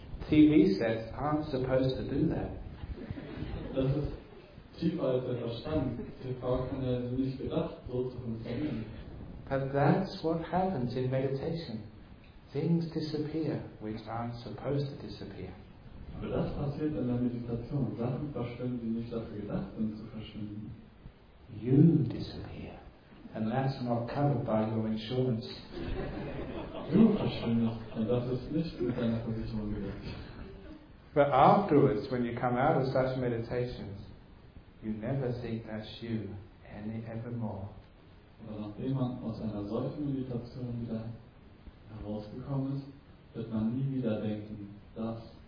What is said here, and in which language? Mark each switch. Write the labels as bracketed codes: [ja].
[en] TV says I'm supposed to do that. [de] Das ist tiefer als der Verstand. TV kann ja nicht gedacht, so zu funktionieren. [en] But that's what happens in meditation. Things disappear which aren't supposed to disappear. [de] Aber das passiert in der Meditation. Sachen verschwinden, die nicht dafür gedacht sind, zu verschwinden. [en] You disappear. And that's not covered by your insurance. [de] Du verschwindest. Und das ist nicht mit deiner Versicherung gedeckt. [en] But afterwards, when you come out of such meditations, you never think that's you any ever more. [de] Aber nachdem man aus einer solchen Meditation wieder herausgekommen ist, wird man nie wieder denken, dass